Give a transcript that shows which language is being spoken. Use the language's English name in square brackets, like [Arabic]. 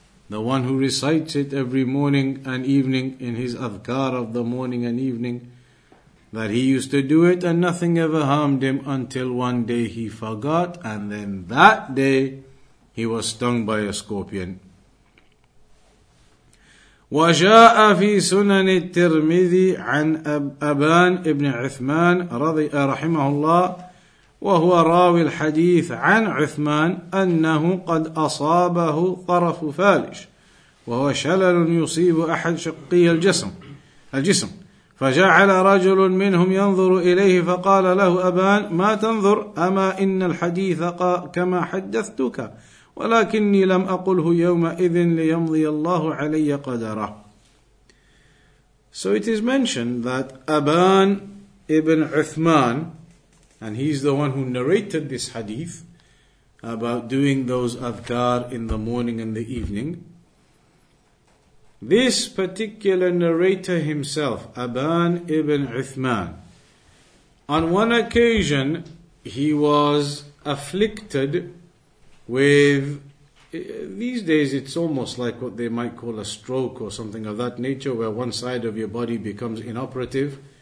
[English] The one who recites it every morning and evening in his adhkar of the morning and evening, that he used to do it and nothing ever harmed him until one day he forgot, and then that day he was stung by a scorpion. [Arabic] وَجَاءَ فِي سُنَنِ التِّرْمِذِي عَنْ أَبَانِ إِبْنِ عُثْمَانَ رَضِيَ رَحِمَهُ اللَّهُ وهو راوي الحديث عن عثمان أنه قد أصابه طرف فالج وهو شلل يصيب أحد شقي الجسم فجعل رجل منهم ينظر إليه فقال له أبان ما تنظر أما إن الحديث كما حدثتك ولكني لم أقله يومئذ ليمضي الله علي قدره. [English] So it is mentioned that Aban ibn Uthman, and he's the one who narrated this hadith about doing those adhkar in the morning and the evening. This particular narrator himself, Aban ibn Uthman, on one occasion he was afflicted with, these days it's almost like what they might call a stroke or something of that nature, where one side of your body becomes inoperative.